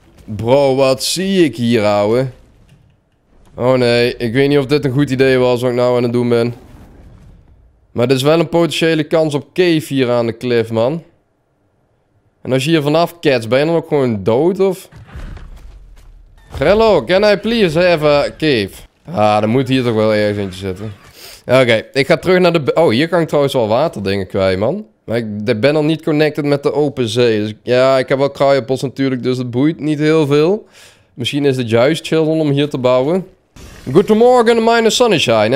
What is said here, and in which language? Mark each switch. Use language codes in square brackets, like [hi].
[nl] Bro, wat zie ik hier, ouwe. Oh nee, ik weet niet of dit een goed idee was wat ik nou aan het doen ben. Maar dit is wel een potentiële kans op cave hier aan de cliff, man. En als je hier vanaf catch, ben je dan ook gewoon dood, of? [en] Hello, can I please have a cave? [nl] Ah, dan moet hier toch wel ergens eentje zitten. Oké, ik ga terug naar de... Oh, hier kan ik trouwens wel waterdingen kwijt, man. Maar ik ben nog niet connected met de open zee. Dus ja, ik heb wel cryopods natuurlijk, dus het boeit niet heel veel. Misschien is het juist chill om hier te bouwen. Goedemorgen, mijn sunshine.